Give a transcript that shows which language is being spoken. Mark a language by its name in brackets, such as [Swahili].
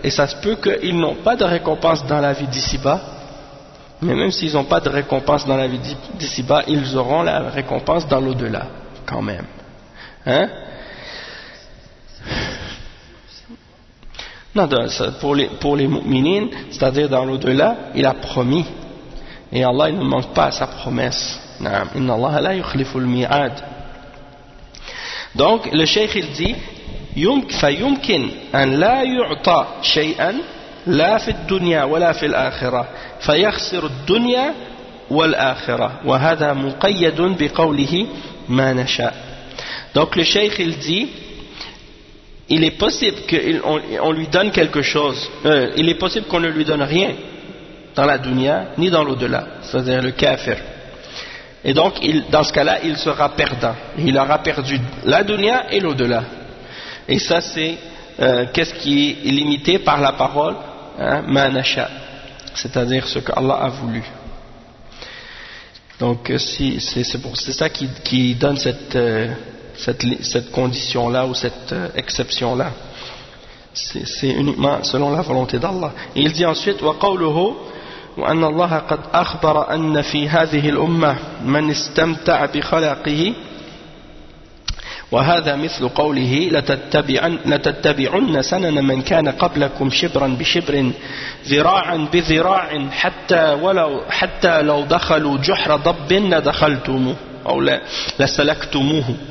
[French] Et ça se peut qu'ils n'ont pas de récompense dans la vie d'ici-bas, mais même s'ils n'ont pas de récompense dans la vie d'ici-bas, ils auront la récompense dans l'au-delà, quand même. Hein? Non, pour les mu'minines, c'est-à-dire dans l'au-delà, il a promis. Et Allah, il ne manque pas à sa promesse. [Arabic] Naam, inna Allah la yukhliful mi'ad. [French] Donc le cheikh il dit [Arabic] فيمكن أن لا يعطى شيئا لا في الدنيا ولا في الآخرة فيخسر الدنيا والآخرة وهذا مقيد بقوله ما نشاء. [French] Donc le cheikh il dit il est possible qu'on lui donne quelque chose, il est possible qu'on ne lui donne rien dans la dunya ni dans l'au-delà, c'est-à-dire le kafir. Et donc, dans ce cas-là, il sera perdant. Il aura perdu la dunya et l'au-delà. Et ça, c'est qu'est-ce qui est limité par la parole, manasha, c'est-à-dire ce que Allah a voulu. Donc, c'est ça qui donne cette condition-là ou cette exception-là. C'est uniquement selon la volonté d'Allah. Et il dit ensuite, [Arabic] wa qawluhu. وأن الله قد أخبر أن في هذه الأمة من استمتع بخلاقه وهذا مثل قوله لتتبعن سنن من كان قبلكم شبرا بشبر ذراعا بذراع حتى لو دخلوا جحر ضب لدخلتموه أو لسلكتموه.